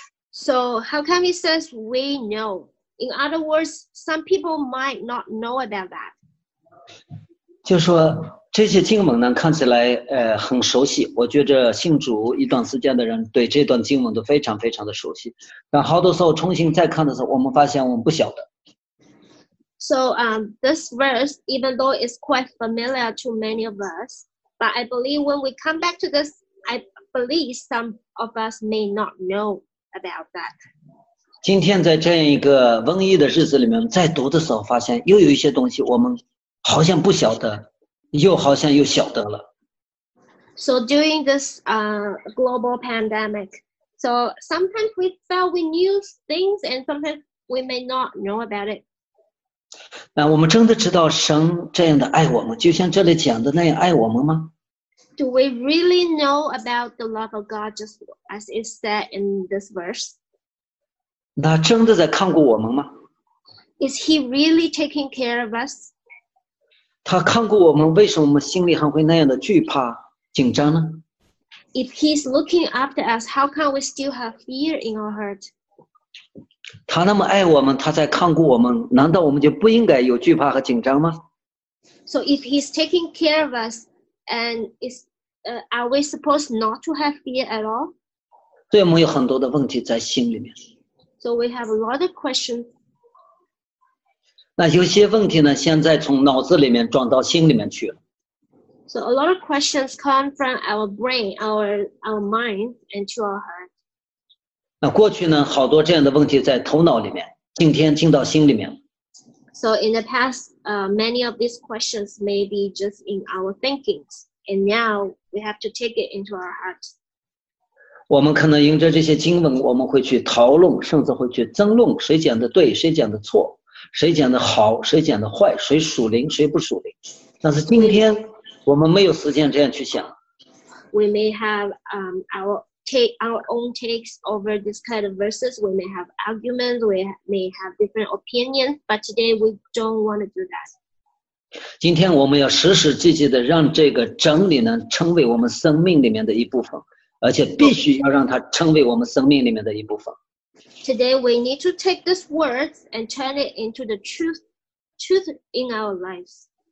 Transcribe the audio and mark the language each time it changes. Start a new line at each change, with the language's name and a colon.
English: So how come it says we know? In other words, some people might not know about that.
Chinese: 就说这些经文呢，看起来很熟悉。我觉着信主一段时间的人对这段经文都非常非常的熟悉。但好多时候重新再看的时候，我们发现我们不晓得。
English: So this verse, even though it's quite familiar to many of us, but I believe when we come back to this, I believe some of us may not know. About that.
Chinese: 今天在这样一个瘟疫的日子里面，在读的时候发现又有一些东西我们好像不晓得，又好像又晓得了。
English: So during this global pandemic, so sometimes we felt we knew things and sometimes we may not know about it.
Chinese: 那我们真的知道神这样的爱我们，就像这里讲的那样爱我们吗？
English: Do we really know about the love of God just as it said in this verse?
Chinese: 他真的在看过我们吗？
English: Is he really taking care of us?
Chinese: 他看过我们，为什么我们心里还会那样的惧怕、紧张呢？
English: If he's looking after us, how can we still have fear in our heart?
Chinese: 他那么爱我们，他在看过我们，难道我们就不应该有惧怕和紧张吗？
English: So if he's taking care of us,And is, are we supposed not to have fear at all?
Chinese: 对，我们有很多的问题在心里面。
English: So we have a lot of questions.
Chinese: 那有些问题呢，现在从脑子里面转到心里面去了。
English: So a lot of questions come from our brain, our mind, and to our heart.
Chinese: 那过去呢，好多这样的问题在头脑里面，今天进到心里面。
English: So in the past, many of these questions may be just in our thinkings, and now we have to take it into our hearts.
Chinese: 我们可能因着这些经文，我们会去讨论，甚至会去争论，谁讲的对，谁讲的错，谁讲的好，谁讲的坏，谁属灵，谁不属灵。但是今天我们没有时间这样去想。
English: We may have our own takes over this kind of verses. We may have arguments. We may have different opinions. But today we don't want to do that.
Chinese: 今天我们要实实际际的让这个真理呢成为我们生命里面的一部分，而且必须要让它成为我们生命里面的一部分。
English: Today we need to take these words and turn it into the truth in our lives.